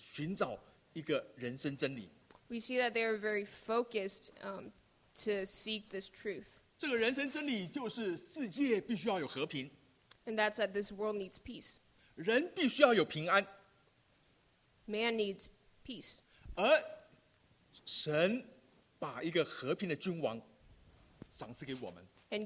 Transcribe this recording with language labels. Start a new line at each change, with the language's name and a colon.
Chinese: 从这里我们看到，这几位东方博士，他们很在乎，很专注的去寻找一个人生真理。
English: We see that they are very focused to seek this truth.
Chinese: 这个人生真理就是世界必须要有和平。
English: And that's that this world needs peace.
Chinese: 人必须要有平安。
English: Man needs peace.
Chinese: 而神把一个和平的君王赏赐给我们。
English: And